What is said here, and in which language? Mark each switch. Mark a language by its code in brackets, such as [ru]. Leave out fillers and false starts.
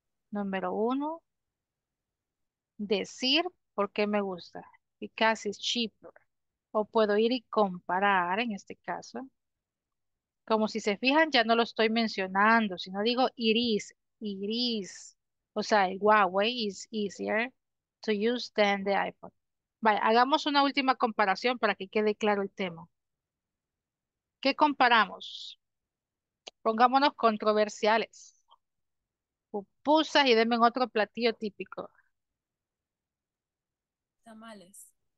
[es] Número uno, decir por qué me gusta. [en] Because it's cheaper. [es] O puedo ir y comparar en este caso. Como si se fijan, ya no lo estoy mencionando, sino digo iris, iris. O sea, el [en] Huawei is easier to use than the iPhone. [es] Vale, hagamos una última comparación para que quede claro el tema. ¿Qué comparamos? Pongámonos controversiales. Pupusas y denme otro platillo típico. Tamales.